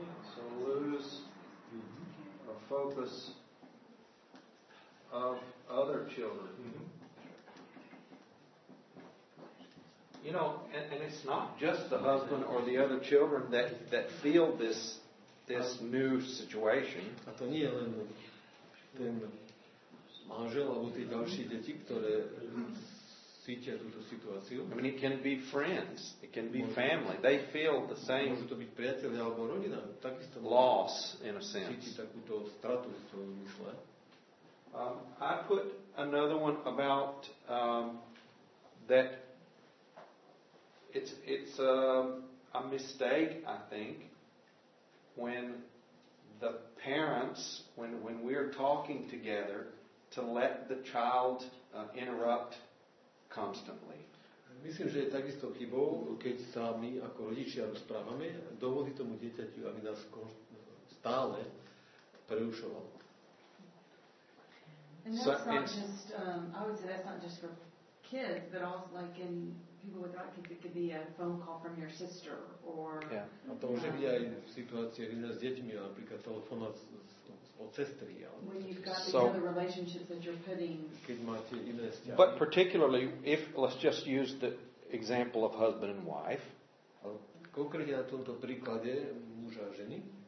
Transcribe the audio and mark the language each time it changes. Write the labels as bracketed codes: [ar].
[en] So lose a focus of other children. You know, and it's not just the husband or the other children that feel this new situation. [sk] A to nie je len ten manžel alebo tie ďalšie deti, ktoré cítia túto situáciu. [en] I mean, it can be friends, it can be family. They feel the same. [sk] Môžu to byť priatelia alebo rodina, takisto. [en] Loss, in a sense. [sk] Cíti takúto stratu v svojom mysle. [en] I put another one about that. It's a mistake, I think, when the parents, when we're talking together, to let the child interrupt constantly. [sk] Myslím, že je takisto chybou, keď sa my ako rodičia rozprávame, dovolí tomu dieťaťu, aby nás stále prerušoval. [en] And that's so, not it's, just, I would say that's not just for kids, but also like in people with that, it could be a phone call from your sister or [sk] a to môže byť aj situácia s deťmi, napríklad telefonát od sestry. [en] When you've got the other relationships that you're putting, but particularly if, let's just use the example of husband and wife, [sk] konkrétne na tomto príklade muža a ženy,